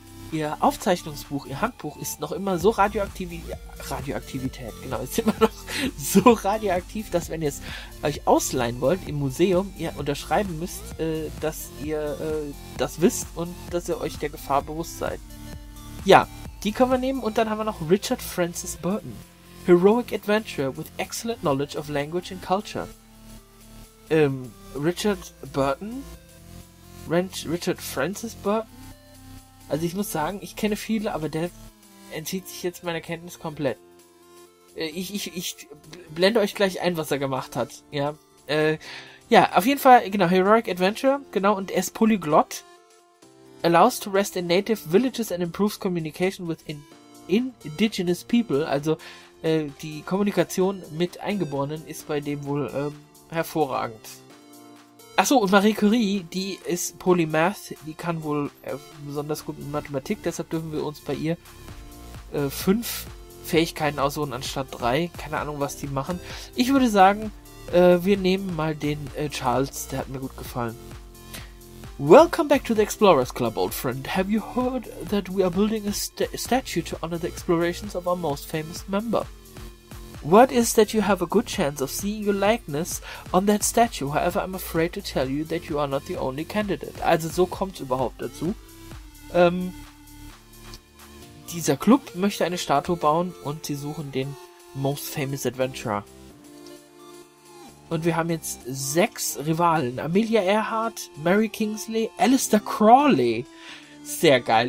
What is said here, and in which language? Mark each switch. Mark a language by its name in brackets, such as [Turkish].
[German] Ihr Aufzeichnungsbuch, ihr Handbuch ist noch immer so ist immer noch so radioaktiv, dass wenn ihr es euch ausleihen wollt im Museum, ihr unterschreiben müsst, dass ihr das wisst und dass ihr euch der Gefahr bewusst seid. Ja, die können wir nehmen und dann haben wir noch Richard Francis Burton. [English] Heroic Adventurer with excellent knowledge of language and culture. [German] Richard Burton? Richard Francis Burton? Also ich muss sagen, ich kenne viele, aber der entzieht sich jetzt meiner Kenntnis komplett. Ich blende euch gleich ein, was er gemacht hat. Ja. Auf jeden Fall, genau, Heroic Adventure, genau, und er ist Polyglott. [English] Allows to rest in native villages and improves communication with indigenous people. [German] Also, die Kommunikation mit Eingeborenen ist bei dem wohl, hervorragend. Achso, und Marie Curie, die ist Polymath, die kann wohl besonders gut in Mathematik, deshalb dürfen wir uns bei ihr 5 Fähigkeiten aussuchen anstatt 3. Keine Ahnung, was die machen. Ich würde sagen, wir nehmen mal den Charles, der hat mir gut gefallen. [English] Welcome back to the Explorers Club, old friend. Have you heard that we are building a statue to honor the explorations of our most famous member? Word is that you have a good chance of seeing your likeness on that statue, however I'm afraid to tell you that you are not the only candidate. [German] Also so kommt's überhaupt dazu. Dieser Club möchte eine Statue bauen und sie suchen den [English] Most Famous Adventurer. [German] Und wir haben jetzt 6 Rivalen. Amelia Earhart, Mary Kingsley, Aleister Crowley. Sehr geil.